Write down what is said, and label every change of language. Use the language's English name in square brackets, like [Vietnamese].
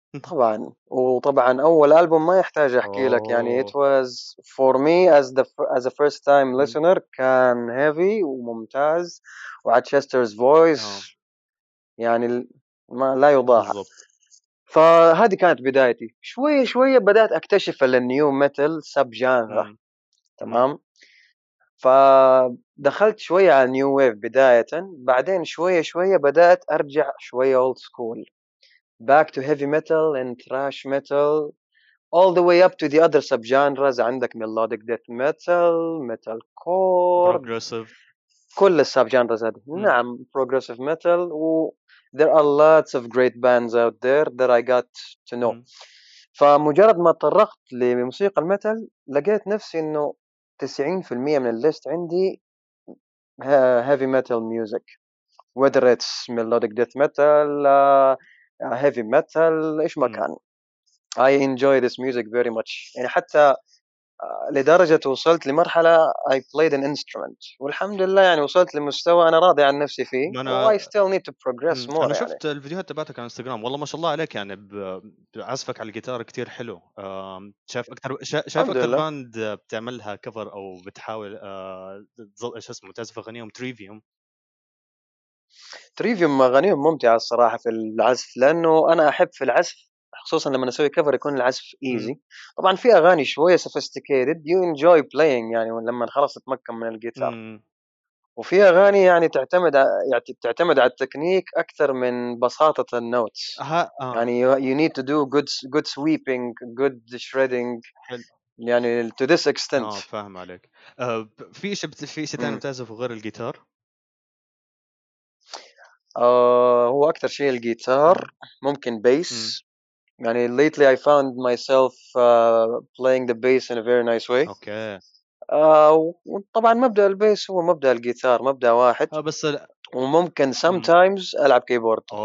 [Arabic] طبعاً وطبعاً أول ألبوم ما يحتاج أحكي لك، يعني [English] it was for me as a first time listener [Arabic] كان heavy وممتاز، وعاد Chester's voice يعني ما لا يضاهى. فهذه كانت بدايتي. شوية شوية بدأت أكتشف النيو ميتال سب جانرا، تمام. فدخلت شوية على نيو ويف بداية، بعدين شوية شوية بدأت أرجع شوية [English] old school back to heavy metal and thrash metal all the way up to the other subgenres. عندك melodic death metal, metal core, progressive، [Arabic] كل subgenres هذه. [English] نعم progressive metal و there are lots of great bands out there that I got to know. [Arabic] فمجرد ما طرقت لموسيقى الميتال لقيت نفسي انه 90% من الليست عندي [English] heavy metal music, whether it's melodic death metal, heavy metal، [Arabic] إيش ما كان. [English] I enjoy this music very much. [Arabic] يعني حتى لدرجة وصلت لمرحلة [English] I played an instrument. [Arabic] والحمد لله يعني وصلت لمستوى أنا راضي عن نفسي فيه. [English] I still need to progress more. [Arabic] أنا شفت يعني الفيديوهات تبعتك على إنستغرام. والله ما شاء الله عليك، يعني بعزفك على الجيتار كتير حلو. شايف أكثر باند بتعملها كفر أو بتحاول إيش اسمه تعزف أغنيهم تريفيوم. تريفيوم أغانيهم ممتعة الصراحة في العزف، لأنه أنا أحب في العزف خصوصا لما نسوي كفر يكون العزف إيزي. طبعا في أغاني شوية [English] sophisticated you enjoy playing [Arabic] يعني لما خلاص تمكن من الجيتار، وفي أغاني يعني تعتمد على التكنيك أكثر من بساطة النوتس. يعني [English] you need to do good sweeping, good shredding. يعني to this extent. [Arabic] آه فاهم عليك. في شيء ثاني بتعزف غير الجيتار؟ هو أكتر شيء الجيتار، ممكن بيس. [English] يعني lately I found myself playing the bass in a very nice way. [Arabic] أوكي. وطبعاً مبدأ البيس هو مبدأ الجيتار، مبدأ واحد. بس وممكن sometimes ألعب كيبورد.